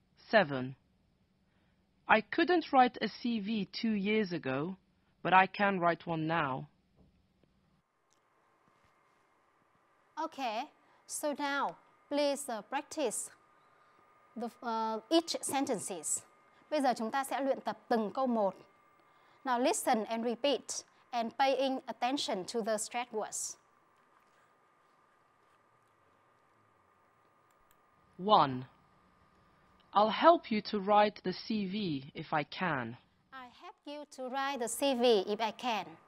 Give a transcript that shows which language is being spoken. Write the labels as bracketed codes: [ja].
[en] 7. I couldn't write a CV 2 years ago, but I can write one now. Okay, so now please practice the each sentences. [vi] Bây giờ chúng ta sẽ luyện tập từng câu một. [en] Now listen and repeat and paying attention to the stressed words. 1. I'll help you to write the CV if I can. I'll help you to write the CV if I can.